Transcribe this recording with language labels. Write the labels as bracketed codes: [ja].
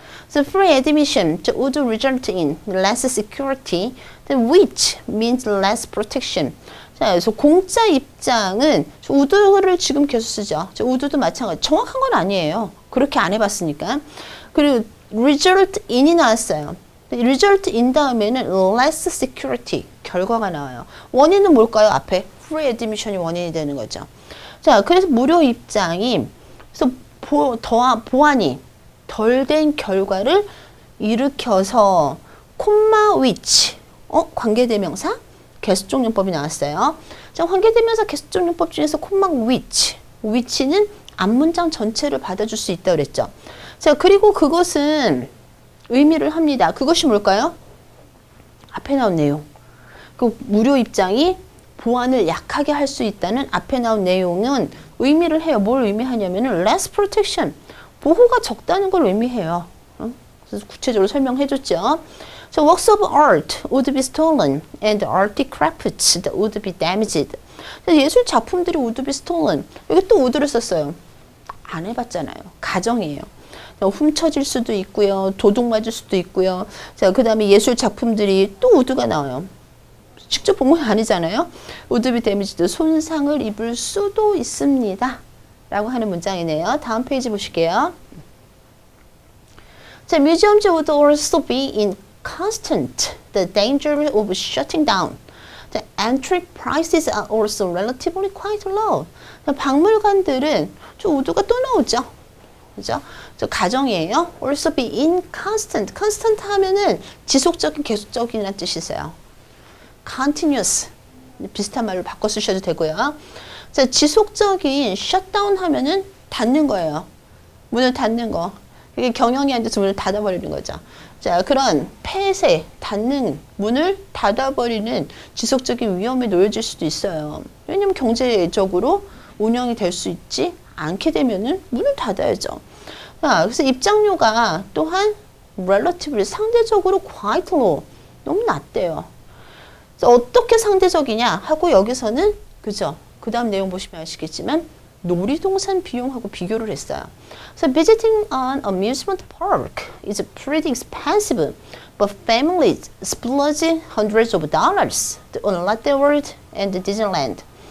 [en] So free admission would result in less security, then which means less protection. [ko] 자, 그래서 공짜 입장은 우드를 지금 계속 쓰죠. 우드도 마찬가지. 정확한 건 아니에요. 그렇게 안 해봤으니까. 그리고 result in이 나왔어요. result in 다음에는 less security 결과가 나와요. 원인은 뭘까요? 앞에 free admission이 원인이 되는 거죠. 자, 그래서 무료 입장이 보안이 덜된 결과를 일으켜서 콤마 위치 관계대명사 계속적용법이 나왔어요. 자, 관계대명사 계속적용법 중에서 콤마 위치 위치는 앞문장 전체를 받아줄 수 있다 그랬죠. 자, 그리고 그것은 의미를 합니다. 그것이 뭘까요? 앞에 나온 내용. 그 무료 입장이 보안을 약하게 할수 있다는 앞에 나온 내용은 의미를 해요. 뭘 의미하냐면은 less protection. 보호가 적다는 걸 의미해요. 그래서 구체적으로 설명해줬죠. [en] So works of art would be stolen and artifacts that would be damaged. [ko] 예술 작품들이 [en] would be stolen. [ko] 여기 또 would를 썼어요. 안 해봤잖아요. 가정이에요. 훔쳐질 수도 있고요. 도둑맞을 수도 있고요. 자, 그 다음에 예술 작품들이 또 would가 나와요. 직접 본건 아니잖아요. would be damaged. 손상을 입을 수도 있습니다. 라고 하는 문장이네요. 다음 페이지 보실게요. [en] 자, museums would also be in constant the danger of shutting down. The entry prices are also relatively quite low. [ko] 박물관들은 저 우드가 또 나오죠. 그죠? 저 가정이에요. [en] also be in constant. [ko] constant 하면은 지속적인, 계속적인이라는 뜻이세요. continuous. 비슷한 말로 바꿔 쓰셔도 되고요. 자, 지속적인 셧다운 하면은 닫는 거예요. 문을 닫는 거. 이게 경영이 안 돼서 문을 닫아버리는 거죠. 자, 그런 폐쇄, 닫는, 문을 닫아버리는 지속적인 위험에 놓여질 수도 있어요. 왜냐면 경제적으로 운영이 될수 있지 않게 되면은 문을 닫아야죠. 자, 그래서 입장료가 또한 relatively, 상대적으로 quite low. 너무 낮대요. 어떻게 상대적이냐 하고 여기서는, 그죠? 그 다음 내용 보시면 아시겠지만 놀이동산 비용하고 비교를 했어요. [en] So visiting an amusement park is pretty expensive, but families splurge hundreds of dollars on Lotte World and Disneyland.